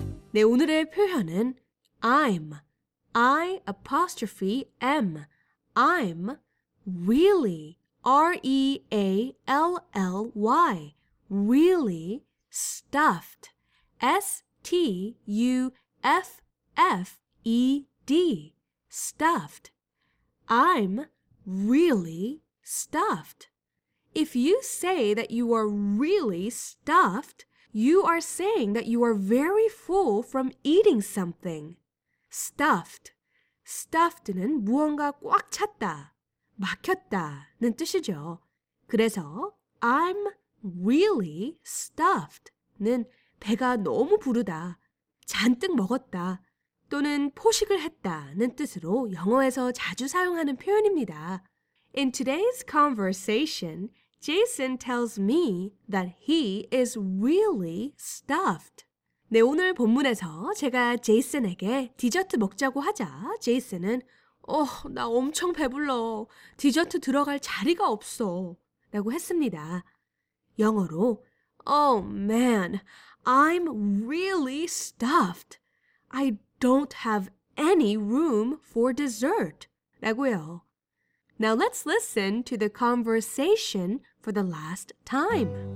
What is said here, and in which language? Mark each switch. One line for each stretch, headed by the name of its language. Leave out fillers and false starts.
Korean: 네, 오늘의 표현은
English: I'm, I apostrophe M, I'm really, R-E-A-L-L-Y, really stuffed, S-T-U-F-F-E-D, stuffed. I'm really stuffed. If you say that you are really stuffed, you are saying that you are very full from eating something. Stuffed.
Korean: Stuffed는 무언가 꽉 찼다, 막혔다는 뜻이죠. 그래서
English: I'm really stuffed
Korean: 는 배가 너무 부르다, 잔뜩 먹었다, 또는 포식을 했다는 뜻으로 영어에서 자주 사용하는 표현입니다.
English: In today's conversation, Jason tells me that he is really stuffed.
Korean: 네, 오늘 본문에서 제가 제이슨에게 디저트 먹자고 하자 제이슨은 나 엄청 배불러. 디저트 들어갈 자리가 없어. 라고 했습니다. 영어로
English: Oh man, I'm really stuffed. I don't have any room for dessert.
Korean: 라고요.
English: Now let's listen to the conversation for the last time.